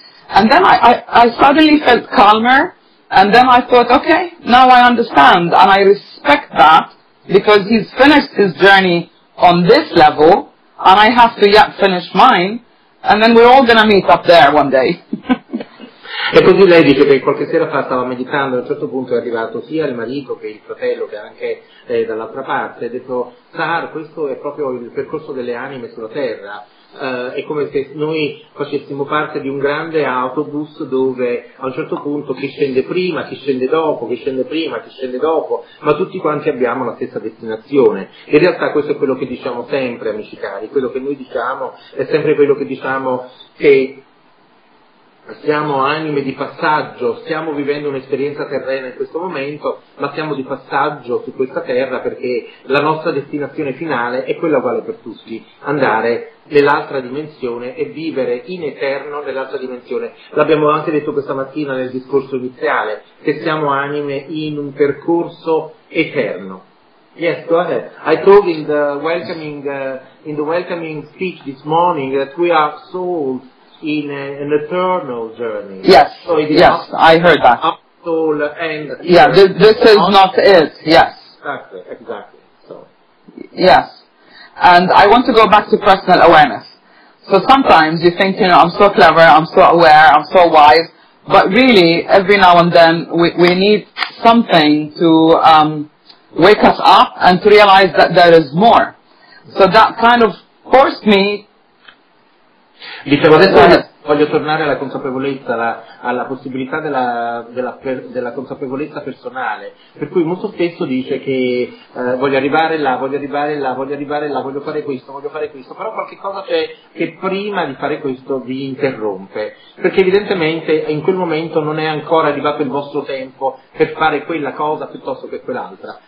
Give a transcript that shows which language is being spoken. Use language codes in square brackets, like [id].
[en] And then I suddenly felt calmer, and then I thought, okay, now I understand, and I respect that, because he's finished his journey on this level, and I have to yet finish mine. And then we're all going to meet up there one day. [it] E così lei dice che qualche sera fa stava meditando, a un certo punto è arrivato sia il marito che il fratello, che anche dall'altra parte, ha detto: Sar, questo è proprio il percorso delle anime sulla terra. È come se noi facessimo parte di un grande autobus dove a un certo punto chi scende prima, chi scende dopo, chi scende prima, chi scende dopo, ma tutti quanti abbiamo la stessa destinazione. In realtà questo è quello che diciamo sempre, amici cari, quello che noi diciamo è sempre quello che diciamo, che siamo anime di passaggio, stiamo vivendo un'esperienza terrena in questo momento, ma siamo di passaggio su questa terra perché la nostra destinazione finale è quella uguale per tutti, andare nell'altra dimensione e vivere in eterno nell'altra dimensione. L'abbiamo anche detto questa mattina nel discorso iniziale, che siamo anime in un percorso eterno. [en] Yes, go ahead. I told in the welcoming speech this morning that we are souls in an eternal journey. Yes, so it is, yes, I heard that. Our soul and this is not it, yes. Exactly. So. Yes. And I want to go back to personal awareness. So sometimes you think, you know, I'm so clever, I'm so aware, I'm so wise, but really, every now and then, we need something to wake us up and to realize that there is more. So that kind of forced me... [it] Dicevo, adesso voglio tornare alla consapevolezza, alla possibilità della consapevolezza personale, per cui molto spesso dice che voglio arrivare là, voglio fare questo, però qualche cosa c'è che prima di fare questo vi interrompe, perché evidentemente in quel momento non è ancora arrivato il vostro tempo per fare quella cosa piuttosto che quell'altra.